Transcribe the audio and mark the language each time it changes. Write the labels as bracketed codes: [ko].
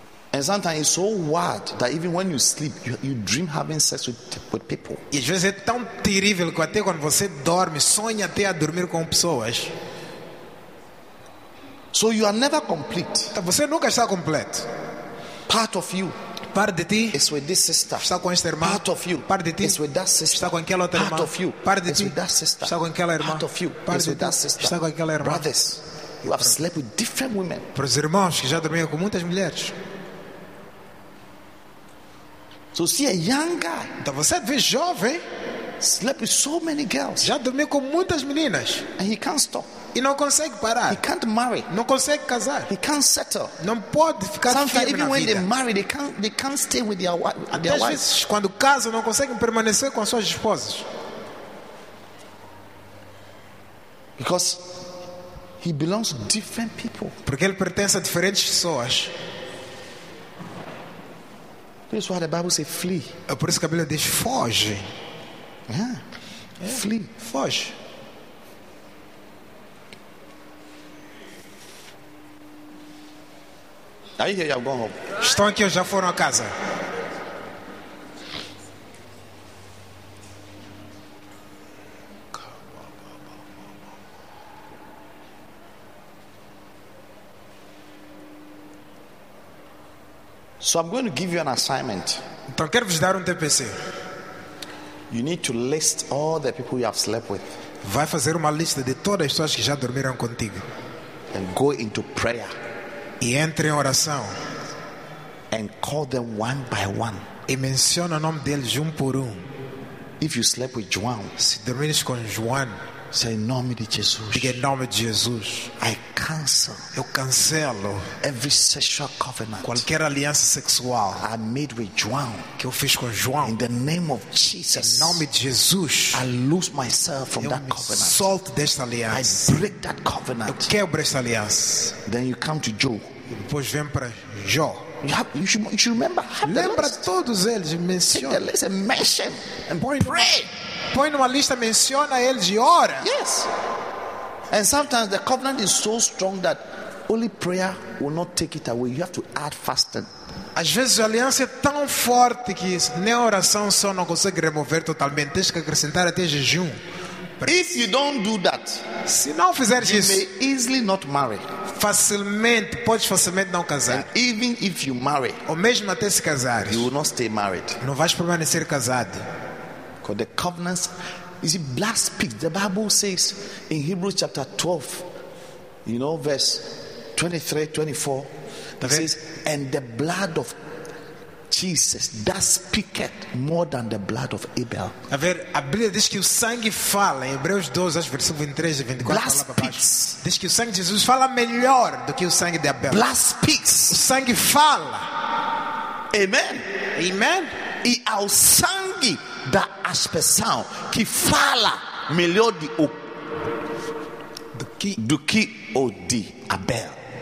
[en] And sometimes it's so hard that even when you sleep, you dream having sex with people. [pt] E às vezes é tão terrível que até quando você dorme, sonha até a dormir com pessoas. [en] So you are never complete. [pt] Então você nunca está completo. [en] Part of you. [pt] Parte de ti. [en] Is with this sister. [pt] Está com esta irmã. [en] Part of you. [pt] Parte de ti. [en] Is with that sister. [pt] Está com aquela outra irmã. [en] Part of you. [pt] Parte de ti. [en] Is with that sister. [pt] Está com aquela irmã. [en] Part of you. [pt] Parte [en] is with that sister. [pt] Está com aquela irmã. [en] Brothers, you have slept with different women. [pt] Para os irmãos que já dormiram com muitas mulheres. [en] So see a young guy. [pt] Então você vê jovem. [en] Slept with so many girls. [pt] Já dormiu com muitas meninas. [en] And he can't stop. [pt] E não consegue parar. [en] He can't marry. [pt] Não consegue casar. [en] He can't settle. [pt] Não pode ficar [en] sometimes [pt] firme na vida. [en] Sometimes even when they marry, they can't stay with their wives. [pt] Vezes, quando casam, não conseguem permanecer com as suas esposas. [en] Because he belongs to different people. [pt] Porque ele pertence a diferentes pessoas. [en] This is why the Bible says flee. [pt] É por isso que a Bíblia diz foge. [en] Flee, [pt] foge. Aí já vão [en] home. [pt] Estão aqui ou já foram a casa? [en] So I'm going to give you an assignment. [pt] Então quero vos dar um TPC. [en] You need to list all the people you have slept with. [pt] Vai fazer uma lista de todas as pessoas que já dormiram contigo. [en] And go into prayer. [pt] E entre em oração. [en] And call them one by one. [pt] E menciona o nome deles um por um. [en] If you slept with João, [pt] se dormires com João, [en] say in [pt] nome de Jesus. Diga em nome de Jesus. [en] I cancel. [pt] Eu cancelo [en] every sexual covenant. [pt] Qualquer aliança sexual. [en] I made with João. [pt] Que eu fiz com João. [en] In the name of Jesus. [pt] Em nome de Jesus. [en] I lose myself from that covenant. [pt] Solto desta aliança. [en] I break that covenant. [pt] Eu quebro esta aliança. [en] Then you come to Jó. [pt] Depois vem para Jó. [en] You should remember. [pt] Lembra todos eles. Menciona. [en] Listen, mention and pray. [pt] Põe numa lista, menciona eles e ora. [en] Yes. And sometimes the covenant is so strong that only prayer will not take it away. You have to add fasting. [pt] Às vezes a aliança é tão forte que nem a oração só não consegue remover totalmente, tens que acrescentar até jejum. [en] If you don't do that, [pt] se não fizeres isso, [en] may easily not marry. [pt] Podes facilmente não casar. [en] And even if you marry, [pt] ou mesmo até se casares, [en] you will not stay married. [pt] Não vais permanecer casado. [en] Because the covenant is a blood speak. The Bible says in Hebrews chapter 12, you know, verse 23-24, it says, and the blood of Jesus that speaketh more than the blood of Abel. [pt] A ver, a Bíblia diz que o sangue fala, em Hebreus 12, acho, versículo 23 e 24, [en] blood [pt] fala para [en] speaks. [pt] Baixo. Diz que o sangue de Jesus fala melhor do que o sangue de Abel. [en] Blood speaks. [pt] O sangue fala. Amen. Amen. E ao sangue da aspersão que fala melhor do que o de Abel.